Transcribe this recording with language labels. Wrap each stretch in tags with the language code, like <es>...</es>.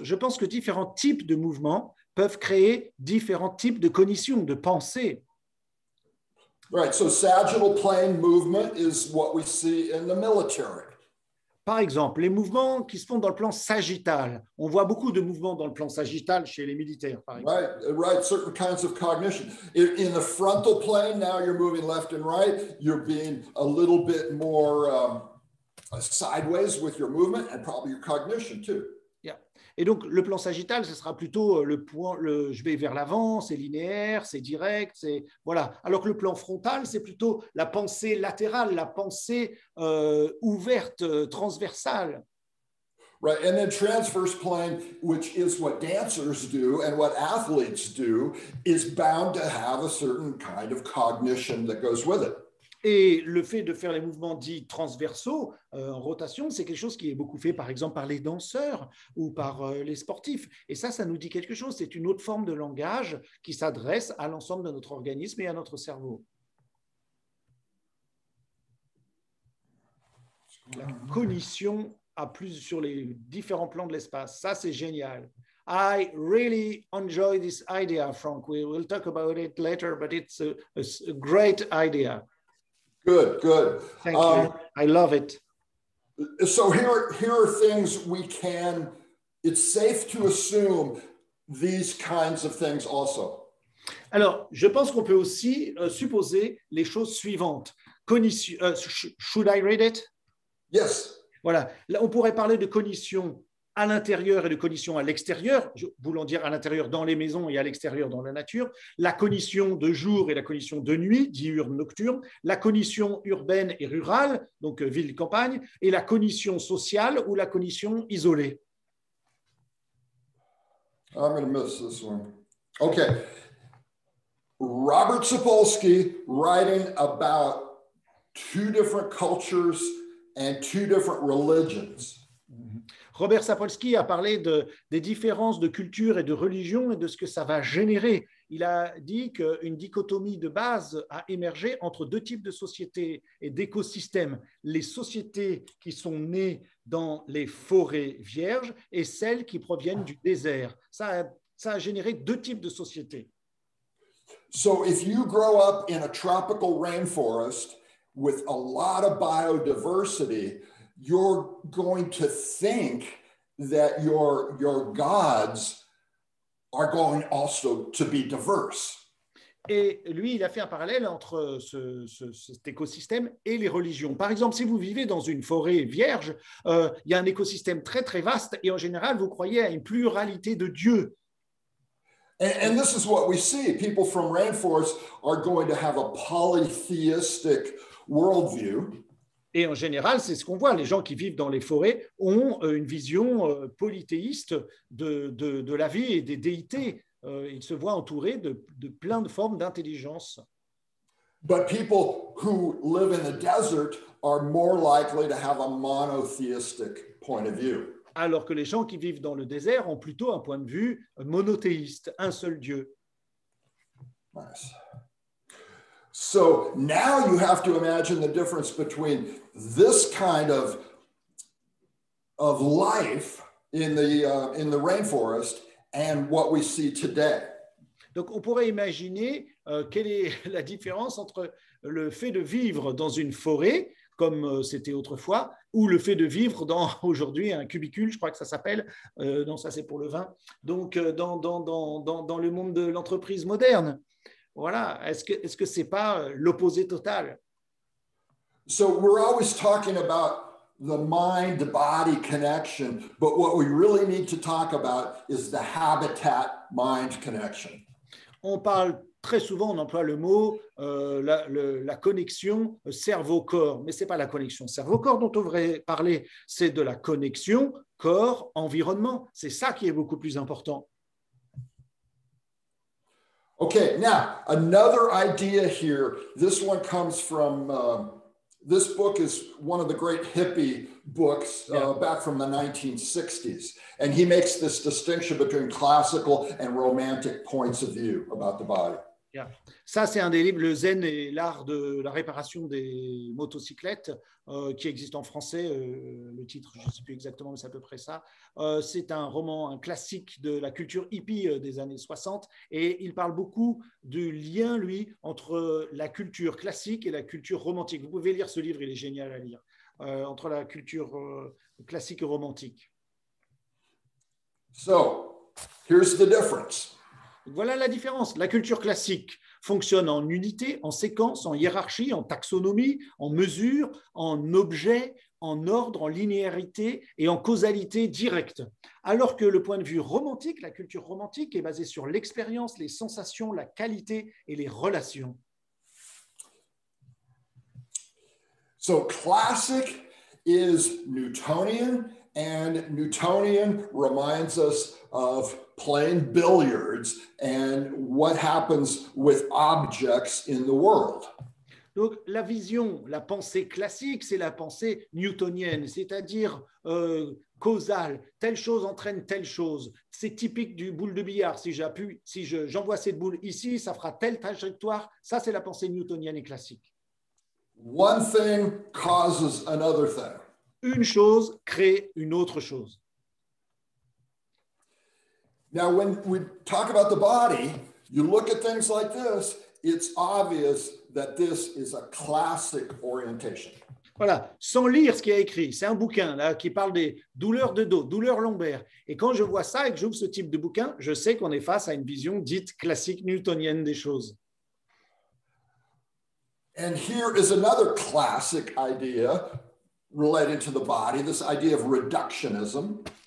<fr>Je pense que différents types de mouvements peuvent créer différents types de cognition, de pensée.</fr> <en>Right, so sagittal plane movement is what we see in the military.</en> <fr>Par exemple, les mouvements qui se font dans le plan sagittal. On voit beaucoup de mouvements dans le plan sagittal chez les militaires, par exemple.</fr> <en>Right, certain kinds of cognition. In the frontal plane, now you're moving left and right, you're being a little bit more sideways with your movement and probably your cognition too.</en> <fr>Et donc, le plan sagittal, ce sera plutôt le point, je vais vers l'avant, c'est linéaire, c'est direct, c'est... Voilà. Alors que le plan frontal, c'est plutôt la pensée latérale, la pensée ouverte, transversale.</fr> <en>Right, and then transverse plane, which is what dancers do and what athletes do, is bound to have a certain kind of cognition that goes with it.</en> <fr>Et le fait de faire les mouvements dits transversaux, en rotation, c'est quelque chose qui est beaucoup fait, par exemple, par les danseurs ou par les sportifs. Et ça nous dit quelque chose. C'est une autre forme de langage qui s'adresse à l'ensemble de notre organisme et à notre cerveau. La cognition a plus sur les différents plans de l'espace. Ça, c'est génial.</fr> <en>I really enjoy this idea, Frank. We will talk about it later, but it's a great idea. Good, good. Thank you. I love it. So here are things we can, it's safe to assume these kinds of things also.</en> <fr>Alors, je pense qu'on peut aussi supposer les choses suivantes.</fr> <en>Should I read it? Yes.</en> <fr>Voilà. Là, on pourrait parler de cognition à l'intérieur et de cognition à l'extérieur, voulant dire à l'intérieur dans les maisons et à l'extérieur dans la nature, la cognition de jour et la cognition de nuit, diurne, nocturne, la cognition urbaine et rurale, donc ville-campagne, et la cognition sociale ou la cognition isolée.</fr> <en>I'm going to miss this one. Okay. Robert Sapolsky writing about two different cultures and two different religions.</en> <fr>Robert Sapolsky a parlé des différences de culture et de religion et de ce que ça va générer. Il a dit qu'une dichotomie de base a émergé entre deux types de sociétés et d'écosystèmes, les sociétés qui sont nées dans les forêts vierges et celles qui proviennent du désert. Ça a généré deux types de sociétés.</fr> <en>So if you grow up in a tropical rainforest with a lot of biodiversity, you're going to think that your gods are going also to be diverse.</en> <fr>Et lui, il a fait un parallèle entre cet écosystème et les religions. Par exemple, si vous vivez dans une forêt vierge, il y a un écosystème très, très vaste et en général, vous croyez à une pluralité de dieux.</fr> <en>And this is what we see. People from Rainforest are going to have a polytheistic worldview.</en> <fr>Et en général, c'est ce qu'on voit. Les gens qui vivent dans les forêts ont une vision polythéiste de la vie et des déités. Ils se voient entourés de plein de formes d'intelligence.</fr> <en>But people who live in the desert are more likely to have a monotheistic point of view.</en> <fr>Alors que les gens qui vivent dans le désert ont plutôt un point de vue monothéiste, un seul Dieu.</fr> <en>Nice. So now you have to imagine the difference between this kind of life in the rainforest and what we see today.</en> <fr>Donc on pourrait imaginer quelle est la différence entre le fait de vivre dans une forêt comme c'était autrefois ou le fait de vivre dans aujourd'hui un cubicule, je crois que ça s'appelle. Non, ça c'est pour le vin. Donc dans le monde de l'entreprise moderne. Voilà, est-ce que c'est pas l'opposé total?</fr> <en>So we're always talking about the mind-body connection, but what we really need to talk about is the habitat-mind connection.</en> <fr>On parle très souvent, on emploie le mot la connexion cerveau-corps, mais c'est pas la connexion cerveau-corps dont on devrait parler, c'est de la connexion corps-environnement. C'est ça qui est beaucoup plus important.</fr> <en>Okay, now another idea here. This one comes from this book is one of the great hippie books back from the 1960s, and he makes this distinction between classical and romantic points of view about the body.</en> <fr>Yeah, ça c'est un des livres, le Zen et l'art de la réparation des motocyclettes, qui existe en français. Le titre, je ne sais plus exactement, mais c'est à peu près ça. C'est un roman, un classique de la culture hippie des années 60, et il parle beaucoup du lien, lui, entre la culture classique et la culture romantique. Vous pouvez lire ce livre, il est génial à lire, entre la culture classique et romantique.</fr> <en>So, here's the difference.</en> <fr>Voilà la différence. La culture classique fonctionne en unité, en séquence, en hiérarchie, en taxonomie, en mesure, en objet, en ordre, en linéarité et en causalité directe. Alors que le point de vue romantique, la culture romantique, est basée sur l'expérience, les sensations, la qualité et les relations.</fr> <en>So classic is Newtonian, and Newtonian reminds us of playing billiards and what happens with objects in the world.</en> <fr>Donc la vision, la pensée classique, c'est la pensée newtonienne, c'est-à-dire causale. Telle chose entraîne telle chose. C'est typique du boule de billard. Si j'envoie cette boule ici, ça fera telle trajectoire. Ça, c'est la pensée newtonienne et classique.</fr> <en>One thing causes another thing.</en> <fr>Une chose crée une autre chose.</fr> <en>Now, when we talk about the body, you look at things like this, it's obvious that this is a classic orientation.</en> <fr>Voilà, sans lire ce qu'il y a écrit, c'est un bouquin là, qui parle des douleurs de dos, douleurs lombaires. Et quand je vois ça et que j'ouvre ce type de bouquin, je sais qu'on est face à une vision dite classique newtonienne des choses.</fr> <en>And here is another classic idea related to the body, this idea of reductionism.</en>